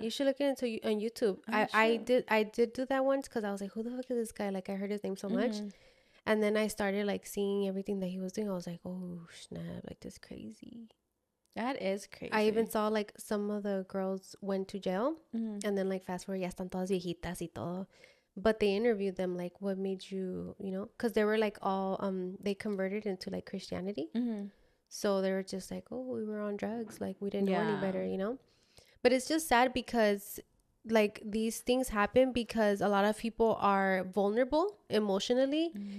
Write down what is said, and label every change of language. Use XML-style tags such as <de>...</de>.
<en>You should look into on YouTube. I did do that once because I was like, who the fuck is this guy? Like, I heard his name so much. And then I started, like, seeing everything that he was doing. I was like, oh, snap. Like, this is crazy. That is crazy. I even saw, like, some of the girls went to jail. And then, like, fast forward,</en> <es>ya están todas viejitas y todo.</es> <en>But they interviewed them, like, what made you, you know? Because they were, like, all... they converted into, like, Christianity. So they were just like, oh, we were on drugs. Like, we didn't know any better, you know? But it's just sad because, like, these things happen because a lot of people are vulnerable emotionally.</en>